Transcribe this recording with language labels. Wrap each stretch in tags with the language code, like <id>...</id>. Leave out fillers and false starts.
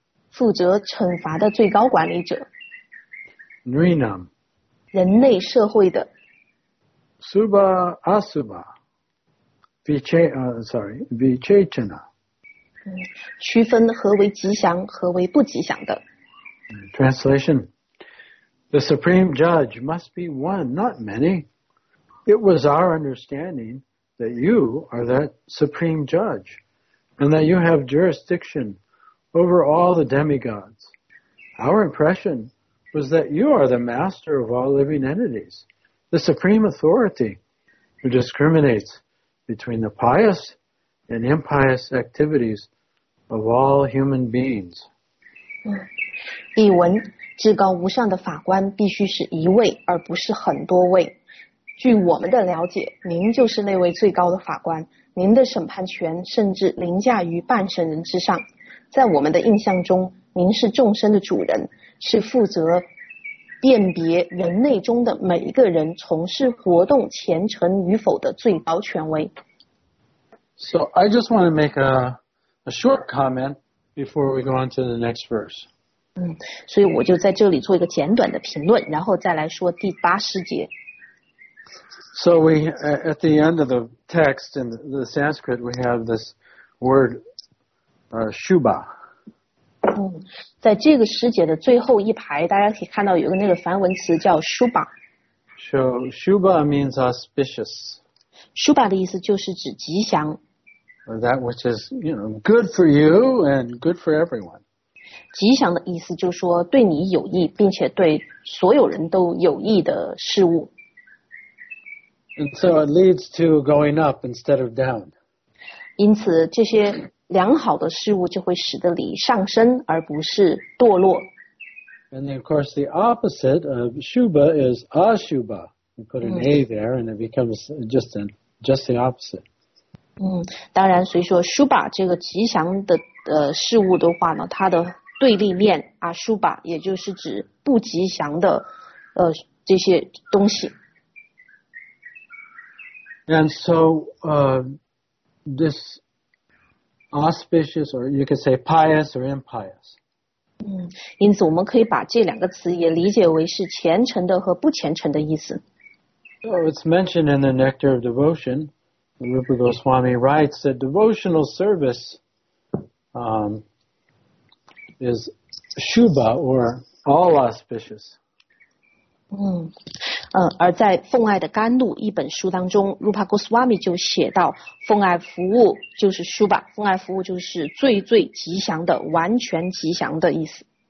<zh>负责惩罚的最高管理者</zh> <sa>Nuinam</sa> <zh>人类社会的</zh> <sa>Subha Asubha Vichechana</sa> <zh>区分何为吉祥何为不吉祥的</zh> <en>Translation The Supreme Judge must be one, not many. It was our understanding that you are that Supreme Judge and that you have jurisdiction over all the demigods. Our impression was that you are the master of all living entities, the Supreme Authority who discriminates between the pious and impious activitiesOf all human beings.</en> <zh>译文，至高无上的法官必须是一位，而不是很多位。据我们的了解，您就是那位最高的法官，您的审判权甚至凌驾于半神人之上。在我们的印象中，您是众生的主人，是负责辨别人类中的每一个人从事活动虔诚与否的最高权威。</zh> <en>So I just want to make a short comment before we go on to the next verse.</en> <zh>所以我就在这里做一个简短的评论，然后再来说第八师节。</zh> <en>So we, at the end of the text in the Sanskrit, we have this word, shubha.</en> <zh>在这个师节的最后一排，大家可以看到有个那个梵文词叫 shubha.</zh> <en>So shubha means auspicious.</en> <zh>Shubha 的意思就是指吉祥。</zh> <en>That which is, you know, good for you and good for everyone.</en> <zh>吉祥的意思就是说对你有益，并且对所有人都有益的事物。</zh> <en>And so it leads to going up instead of down.</en> <zh>因此这些良好的事物就会使得你上升而不是堕落。</zh> <en>And then, of course, the opposite of shubha is ashubha. You put an A there and it becomes just the opposite.</en> <zh>当然所以说 Shubha 这个吉祥的事物的话呢，它的对立面 Ashubha 也就是指不吉祥的这些东西。</zh> <en>And so this auspicious or you could say pious or impious.</en> <zh>因此我们可以把这两个词也理解为是虔诚的和不虔诚的意思。</zh> <en>So it's mentioned in the Nectar of Devotion. Rupa Goswami writes that devotional service is shubha or all auspicious.</en> <zh>而在《奉爱的甘露》一本书当中 ，Rupa Goswami 就写到，奉爱服务就是 shubha， 奉爱服务就是最最吉祥的、完全吉祥的意思。</zh>